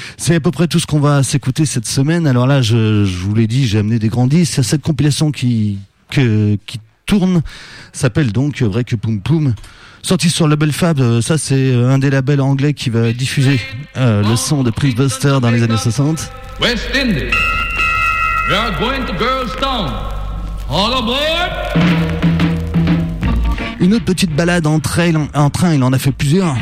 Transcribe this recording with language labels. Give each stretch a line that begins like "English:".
French: C'est à peu près tout ce qu'on va s'écouter cette semaine. Alors là, je vous l'ai dit, j'ai amené des grands disques. C'est cette compilation qui tourne, s'appelle donc Break Poum Poum. Sorti sur le label Fab, ça c'est un des labels anglais qui va diffuser le son de Prince Buster dans les années 60.
English: West Indies, we are going to Girlstown. All aboard!
French: Une autre petite balade en train, il en a fait plusieurs.